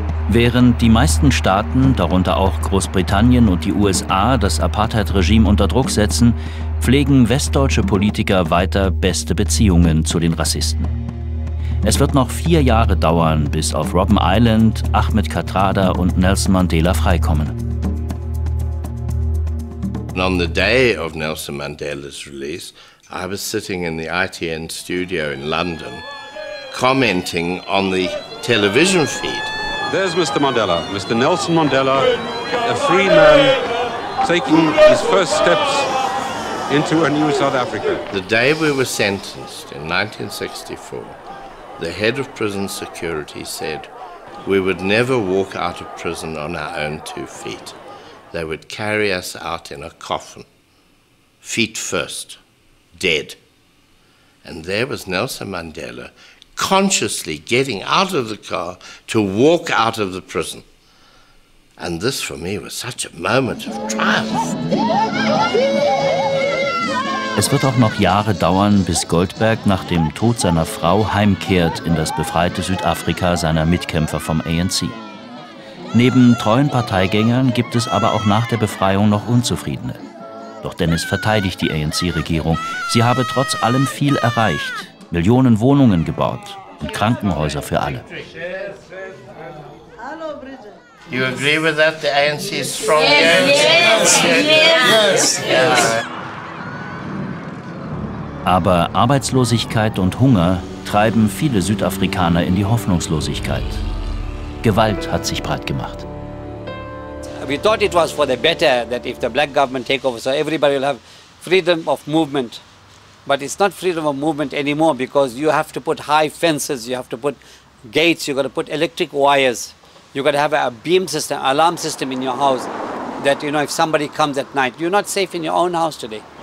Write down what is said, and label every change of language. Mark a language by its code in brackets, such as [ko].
[de] Während die meisten Staaten, darunter auch Großbritannien und die USA, das Apartheid-Regime unter Druck setzen, pflegen westdeutsche Politiker weiter beste Beziehungen zu den Rassisten. Es wird noch 4 Jahre dauern, bis auf Robben Island Ahmed Kathrada und Nelson Mandela freikommen. [en] And on the day of Nelson Mandela's release, I was sitting in the ITN studio in London, commenting on the television feed. There's Mr. Mandela, Mr. Nelson Mandela, a free man taking his first steps into a new South Africa. The day we were sentenced in 1964, the head of prison security said, we would never walk out of prison on our own 2 feet. They would carry us out in a coffin, feet first, dead. And there was Nelson Mandela consciously getting out of the car to walk out of the prison. And this for me was such a moment of triumph. [de] Es wird auch noch Jahre dauern, bis Goldberg nach dem Tod seiner Frau heimkehrt in das befreite Südafrika seiner Mitkämpfer vom ANC. Neben treuen Parteigängern gibt es aber auch nach der Befreiung noch Unzufriedene. Doch Dennis verteidigt die ANC-Regierung. Sie habe trotz allem viel erreicht, Millionen Wohnungen gebaut und Krankenhäuser für alle. [en] You agree with that? The ANC is strong. Yes. [de] Aber Arbeitslosigkeit und Hunger treiben viele Südafrikaner in die Hoffnungslosigkeit. Gewalt hat sich breit gemacht. [en] We thought it was for the better that if the black government take over, so everybody will have freedom of movement. But it's not freedom of movement anymore, because you have to put high fences, you have to put gates, you got to put electric wires. You got to have a beam system, alarm system in your house that, you know, if somebody comes at night, you're not safe in your own house today.